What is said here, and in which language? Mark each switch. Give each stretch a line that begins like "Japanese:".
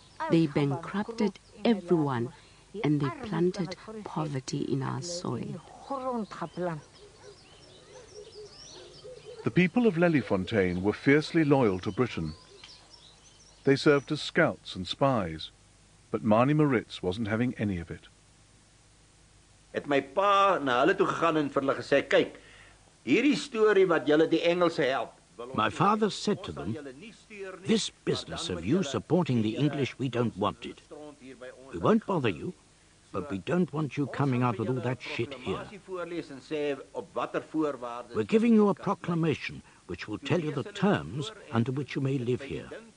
English: They bankrupted everyone and they planted poverty in our soil. The people of Lelyfontein were fiercely loyal to Britain. They served as scouts and spies, but Marnie Moritz wasn't having any of it.
Afrikaans: Het my pa na hulle toe gegaan en vir hulle gesê, kyk, hierdie story wat julle die Engelse help.
English: My father said to them, this business of you supporting the English, we don't want it. We won't bother you, but we don't want you coming out with all that shit here. We're giving you a proclamation which will tell you the terms under which you may live here.